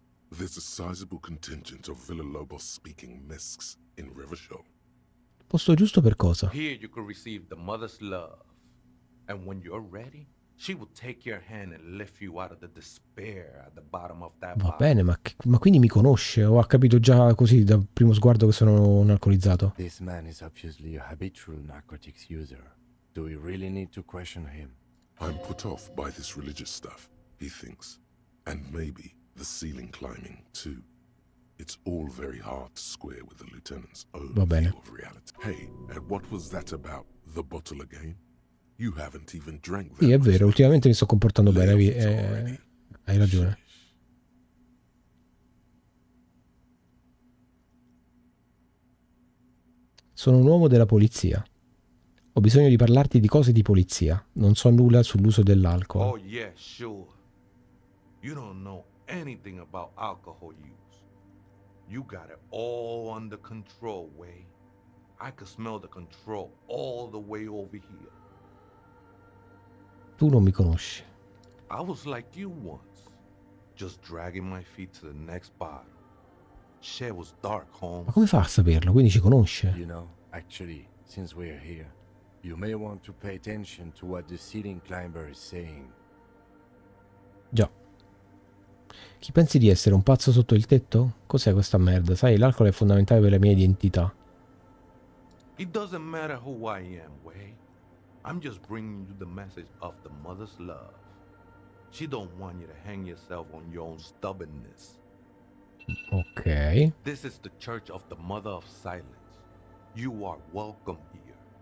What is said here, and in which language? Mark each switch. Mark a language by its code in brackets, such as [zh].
[en] There's a sizable contingent of Villalobos speaking Mesks in Rivershaw. [it] Posto giusto per cosa? [en] Here you can receive the mother's love. And when you're ready, she will take your hand and lift you out of the despair at the bottom of that [it] bottle. Va bene, ma quindi mi conosce? O ha capito già così dal primo sguardo che sono un alcolizzato? [en] This man is obviously a habitual narcotics user. Do we really need to question him? I'm put off by this religious stuff, he thinks. And maybe the ceiling climbing, too. It's all very hard to square with the lieutenant's own view of reality. Hey, and what was that about the bottle again? You haven't even drank that. [it] Sì, è vero, ultimamente mi sto comportando bene. Hai ragione. Sono un uomo della polizia. Ho bisogno di parlarti di cose di polizia. Non so nulla sull'uso dell'alcol. [en] Oh, yeah, sure. You don't know anything about alcohol use. You got it all under control, Way. I could smell the control all the way over here. [it] Tu non mi conosci. [en] I was like you once. Just dragging my feet to the next bottle. Shit was dark, Holmes. [it] Ma come fa a saperlo? Quindi ci conosce. [en] You know, actually, since we're here, you may want to pay attention to what the ceiling climber is saying. [it] Già. Chi pensi di essere, un pazzo sotto il tetto? Cos'è questa merda? Sai, l'alcol è fondamentale per la mia identità. [en] It doesn't matter who I am, Way. I'm just bringing you the message of the mother's love. She don't want you to hang yourself on your own stubbornness. Ok. This is the church of the mother of silence. You are welcome here.